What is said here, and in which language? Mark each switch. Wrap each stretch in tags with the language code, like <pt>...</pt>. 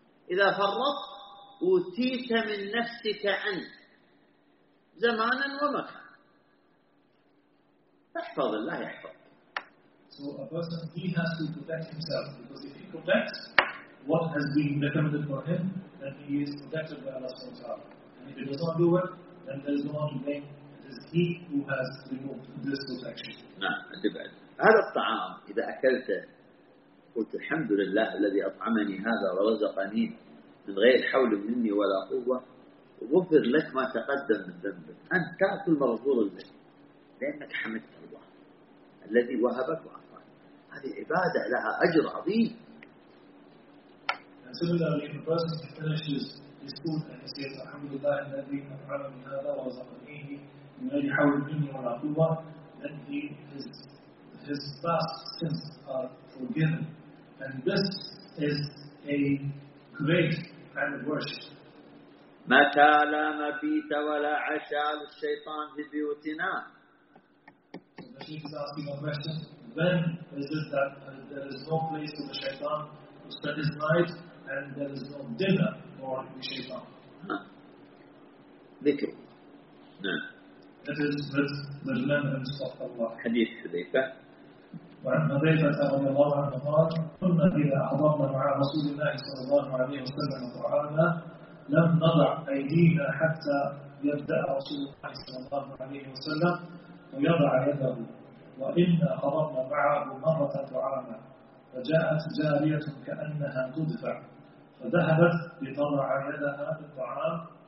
<ar>إذا فرط أوتيت من نفسك أنت زمانا ومكانا تحفظ الله يحفظك.</ar> <en>So a person he has to protect himself because if he protects what has been recommended for him then he is protected by Allah SWT. And if he does not do it then there is no one to blame. It is he who has removed this protection.</en> <ar>نعم أدي بعد. هذا الطعام إذا أكلته قلت الحمد لله الذي أطعمني هذا ورزقني من غير حول مني ولا قوة غفر لك ما تقدم من ذنبك أنت تأكل مغفور لك لأنك حمدت الله الذي وهبك وأعطاك هذه عبادة لها أجر عظيم.</ar> <en>And similarly, if a person finishes his food and he says, Alhamdulillah,</en> <ar>الذي أطعم من هذا ورزقني من غير حول مني ولا قوة,</ar> <en>then he, his past sins are forgiven. And this is a great kind of worship.</en> <ar>متى لا مبيت ولا عشاء للشيطان في بيوتنا.</ar> <en>So the sheikh is asking a question. When is it that there is no place for the shaitan to spend his night and there is no dinner for the shaitan?</en> <ar>ذكر.</ar> <en>That is with the remembrance of Allah.</en> <ar>حديث حذيفة. وعن حذيفة رضي الله عنه قال: كنا إذا حضرنا مع رسول الله صلى الله عليه وسلم طعامنا لم نضع أيدينا حتى يبدأ رسول الله صلى الله عليه وسلم ويضع يده وإنا حضرنا معه مرة طعاما فجاءت جارية كأنها تدفع فذهبت لتضع يدها في الطعام</ar>